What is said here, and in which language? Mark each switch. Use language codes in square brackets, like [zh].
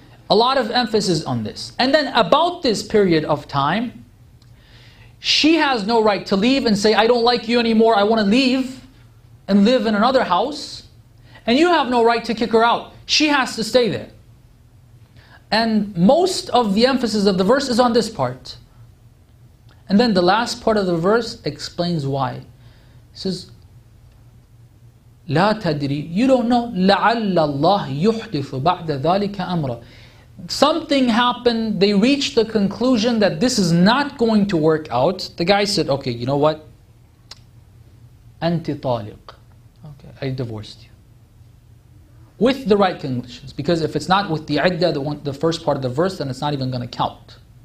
[en] A lot of emphasis on this. And then about this period of time, she has no right to leave and say, I don't like you anymore, I want to leave and live in another house. And you have no right to kick her out. She has to stay there. And most of the emphasis of the verse is on this part. And then the last part of the verse explains why. It says, [ar] لَا تَدْرِي, [en] you don't know, [ar] لَعَلَّ اللَّهِ يُحْدِثُ بَعْدَ ذَلِكَ أَمْرًا. [en] Something happened, they reached the conclusion that this is not going to work out. The guy said, okay, you know what? [ar] أنت طالق. [en] Okay, I divorced you. With the right conditions. Because if it's not with the عِدَّة, the first part of the verse, then it's not even going to count.